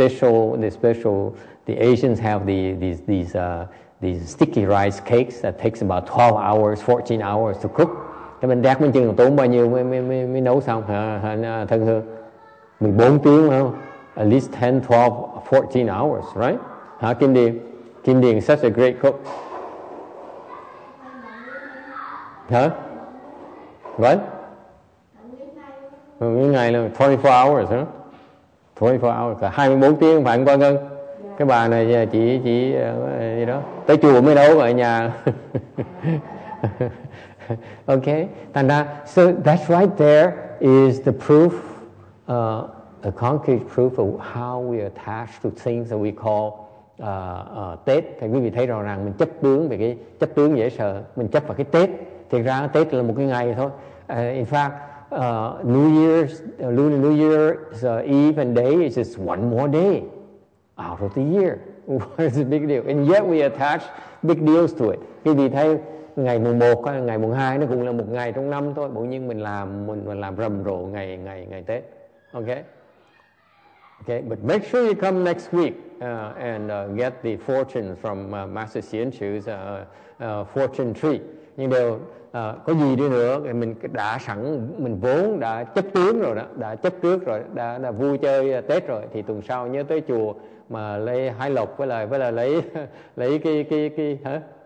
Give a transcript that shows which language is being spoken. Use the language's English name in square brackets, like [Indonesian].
[English] The Asians have these sticky rice cakes that takes about 12 hours, 14 hours to cook. [Vietnamese] Cái bánh tét bánh chưng tốn bao nhiêu mới nấu xong hả thân hương? 14 tiếng không? [English] At least 10, 12, 14 hours, right? Hả Kim Điền? Kim Điền is such a great cook. [Vietnamese] Hả? What? Mấy ngày luôn, 24 hours, hả? Huh? 24 hours, 24 tiếng phải không Quang Ngân? Yeah. Cái bà này chỉ gì đó, tới chùa mới nấu ở nhà. [English] Okay, thành ra, so that's right there is the proof, a concrete proof of how we attach to things that we call Tết. [Vietnamese] Thì quý vị thấy rõ ràng mình chấp tướng về cái chấp tướng dễ sợ, mình chấp vào cái Tết. Thực ra Tết là một cái ngày thôi. [English] In fact, New Year's Eve and day is just one more day out of the year. What is the big deal? And yet we attach big deals to it. [Vietnamese] Quý vị thấy ngày mùng 1, ngày mùng 2 nó cũng là một ngày trong năm thôi. Bỗng nhiên mình làm rầm rộ ngày Tết. [English] Okay, but make sure you come next week and get the fortune from Master Xian Chu's fortune tree. [Vietnamese] Nhưng đều có gì đi nữa thì mình đã sẵn, mình vốn đã chấp tướng rồi đó, đã chấp trước rồi, đã vui chơi Tết rồi thì tuần sau nhớ tới chùa mà lấy hai lộc với lại lấy lấy cái hả?